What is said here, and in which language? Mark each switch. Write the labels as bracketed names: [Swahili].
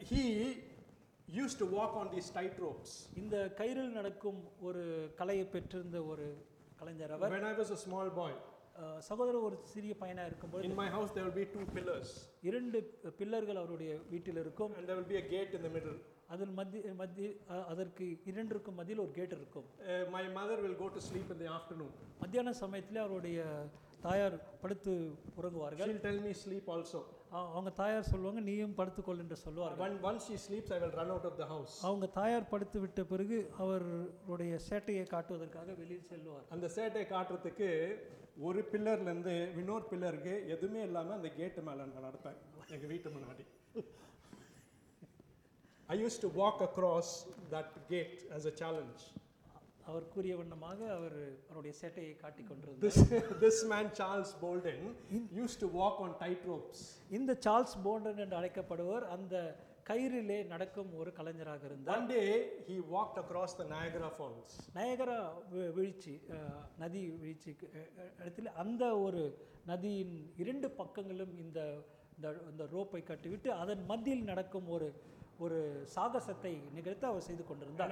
[English] He used to walk on these tight ropes. [Tamil] இந்த கயிறில் நடக்கும் ஒரு கலையை பெற்றிருந்த ஒரு கலைஞர் அவர். [English] When I was a small boy. [Tamil] சகோதரர் ஒரு சிறிய பையனா இருக்கும்போது. [English] In my house there will be two pillars. [Tamil] இரண்டு பில்லர்கள் அவருடைய வீட்டில் இருக்கும். [English] And there will be a gate in the middle. [Tamil] அதன் மத்திய அதற்கு இரண்டிற்கும் மத்தியில் ஒரு கேட் இருக்கும். [English] My mother will go to sleep in the afternoon. [Tamil] மத்தியான சமயத்தில் அவருடைய தாயார் படுத்து உறங்குவார்கள். [English] She'll tell me sleep also. [Tamil] அவங்க தாயார் சொல்லுவாங்க, நீயும் படுத்துக்கொள் என்று சொல்லுவார்கள். [English] Once she sleeps, I will run out of the house. [Tamil] அவங்க தாயார் படுத்து விட்ட பிறகு அவருடைய சேட்டையை காட்டுவதற்காக வெளியில் செல்வார். அந்த சேட்டையை காட்டுறதுக்கு ஒரு பில்லர்லேருந்து இன்னொரு பில்லருக்கு எதுவுமே இல்லாமல் அந்த கேட்டு மேலே நான் நடப்பேன் எங்கள் வீட்டு முன்னாடி. [English] I used to walk across that gate as a challenge. [Tamil] அவர் கூறிய வண்ணமாக அவர் அவருடைய சேட்டையை காட்டிக் கொண்டிருந்தார். [English] This man Charles Bolden used to walk on tight ropes. [Tamil] இந்த சார்லஸ் போல்டன் என்று அழைக்கப்படுவர் அந்த கயிறிலே நடக்கும் ஒரு கலைஞராக இருந்தார். [English] One day he walked across the Niagara Falls. [Tamil] நயாகர வீழ்ச்சி நதி வீழ்ச்சி இடத்தில் அந்த ஒரு நதியின் இரண்டு பக்கங்களும் இந்த ரோப்பை கட்டிவிட்டு அதன் மத்தியில் நடக்கும் ஒரு சாகசத்தை நிகழ்த்த அவர் செய்து கொண்டிருந்தார்.